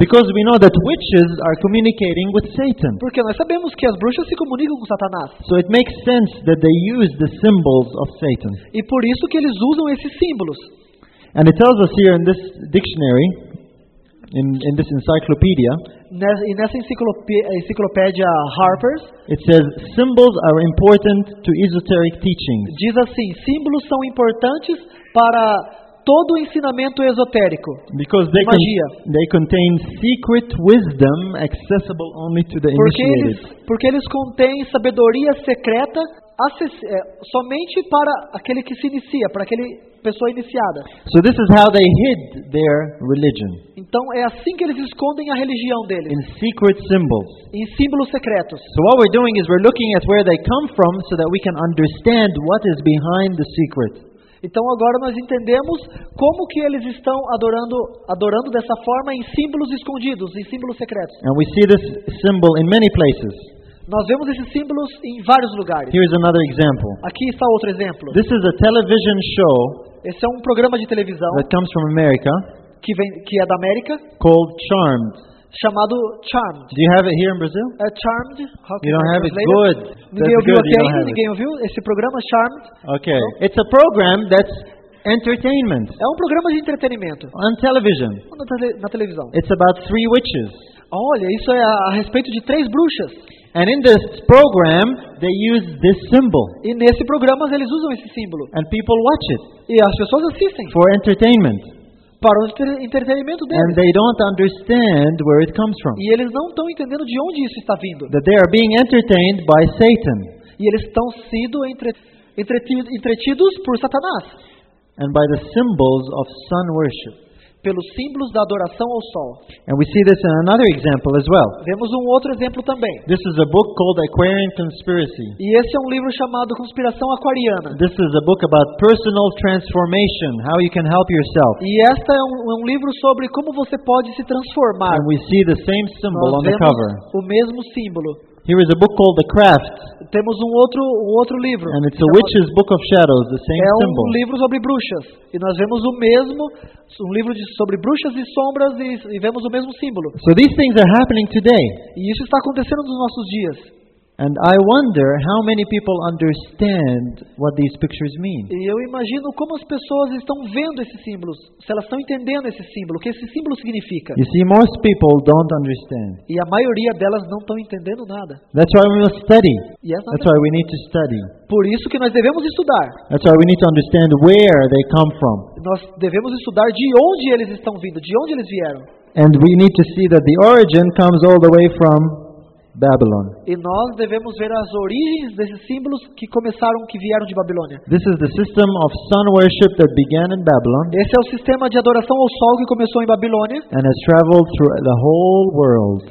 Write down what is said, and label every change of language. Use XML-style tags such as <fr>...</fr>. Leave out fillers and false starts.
<en>Because we know that witches are communicating with Satan.</en> <pt>Porque nós sabemos que as bruxas se comunicam com Satanás.</pt> <en>So it makes sense that they use the symbols of Satan.</en> <pt>E por isso que eles usam esses símbolos.</pt> <en>And it tells us here in this dictionary, in this encyclopedia,</en> <pt>nessa enciclopédia Harper's,</pt> <en>it says symbols are important to esoteric teachings.</en> <pt>Diz assim, símbolos são importantes para todo o ensinamento esotérico.</pt> <en>Because they,</en> <pt>de magia.</pt> <en>They contain secret wisdom accessible only to the initiated.</en> <pt>Porque eles contêm sabedoria secreta somente para aquele que se inicia, para aquele pessoa iniciada.</pt> <en>So this is how they hid their religion.</en> <pt>Então é assim que eles escondem a religião deles.</pt> <en>In secret symbols.</en> <pt>Em símbolos secretos.</pt> <en>So what we're doing is we're looking at where they come from so that we can understand what is behind the secret.</en> <pt>Então agora nós entendemos como que eles estão adorando dessa forma em símbolos escondidos, em símbolos secretos.</pt> <en>And we see this symbol in many places.</en> <pt>Nós vemos esses símbolos em vários lugares.</pt> <en>Here is another example.</en> <pt>Aqui está outro exemplo.</pt> <en>This is a television show.</en> <pt>Esse é um programa de televisão.</pt> <en>That comes from America.</en> <pt>Que é da América.</pt> <en>Called Charmed.</en> <pt>Chamado Charmed.</pt> <en>Do you have it here in Brazil? Charmed. How you don't have translated? It. Good.</en> <pt>Ninguém ouviu</pt> <en>good,</en> <pt>aqui ainda? Ninguém ouviu esse programa Charmed?</pt> <en>Okay. No? It's a program that's entertainment.</en> <pt>É um programa de entretenimento.</pt> <en>On television.</en> <pt>Na televisão.</pt> <en>It's about three witches.</en> <pt>Olha, isso é a respeito de três bruxas.</pt> <en>And in this program, they use this symbol.</en> <pt>E nesse programa eles usam esse símbolo.</pt> <en>And people watch it.</en> <pt>E as pessoas assistem.</pt> <en>For entertainment.</en> <pt>Para o entretenimento deles.</pt> <en>And they don't understand where it comes from.</en> <pt>E eles não estão entendendo de onde isso está vindo.</pt> <en>That they are being entertained by Satan.</en> <pt>E eles estão sendo entretidos por Satanás.</pt> <en>And by the symbols of sun worship.</en> <pt>Pelos símbolos da adoração ao sol.</pt> <en>And we see this in another example as well.</en> <pt>Vemos um outro exemplo também.</pt> <en>This is a book called Aquarian Conspiracy.</en> <pt>E esse é um livro chamado Conspiração Aquariana.</pt> <en>This is a book about personal transformation, how you can help yourself.</en> <pt>E esta é um livro sobre como você pode se transformar.</pt> <en>And we see the same symbol on the cover.</en> <pt>O mesmo símbolo.</pt> <en>Here is a book called The Craft.</en> <pt>Temos um outro livro.</pt> <en>And it's a witch's book of shadows, the same symbol.</en> <pt>É um livro sobre bruxas. E nós vemos o mesmo, um livro sobre bruxas e sombras e vemos o mesmo símbolo.</pt> <en>So these things are happening today.</en> <pt>E isso está acontecendo nos nossos dias.</pt> <en>And I wonder how many people understand what these pictures mean.</en> <pt>E eu imagino como as pessoas estão vendo esses símbolos, se elas estão entendendo esse símbolo, o que esse símbolo significa.</pt> <en>You see, most people don't understand.</en> <pt>E a maioria delas não estão entendendo nada.</pt> <en>That's why we must study. Yes, that's why we need to study.</en> <pt>Por isso que nós devemos estudar.</pt> <en>That's why we need to understand where they come from.</en> <pt>Nós devemos estudar de onde eles estão vindo, de onde eles vieram.</pt> <en>And we need to see that the origin comes all the way from Babylon.</en> <pt>E nós devemos ver as origens desses símbolos que começaram, que vieram de Babilônia.</pt> <en>This is the system of sun worship that began in Babylon.</en> <pt>Esse é o sistema de adoração ao sol que começou em Babilônia.</pt> <en>And has traveled through the whole world.</en>